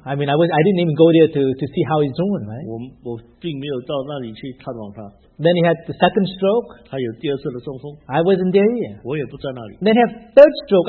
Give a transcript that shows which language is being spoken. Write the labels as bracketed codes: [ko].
[en] I mean, I didn't even go there to see how he's doing, right? [zh] 我并没有到那里去探望他。 [en] Then he had the second stroke. [zh] 他有第二次的中风。 [en] I wasn't there yet. [zh] 我也不在那里。 [en] Then he had third stroke.